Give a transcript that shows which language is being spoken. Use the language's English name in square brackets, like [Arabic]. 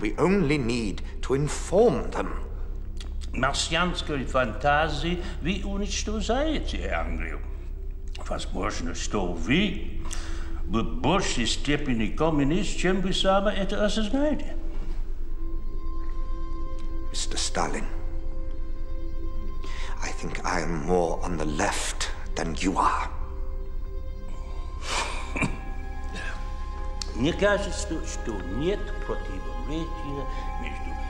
[English] We only need to inform them. [Russian] Марсианской фантазии вы уничтожаете Англию. Возможно, что вы в большей степени коммунист, чем вы сами это осознаете. [English] Mr. Stalin, I think I am more on the left than you are. [Russian] Мне кажется, что нет противоречия между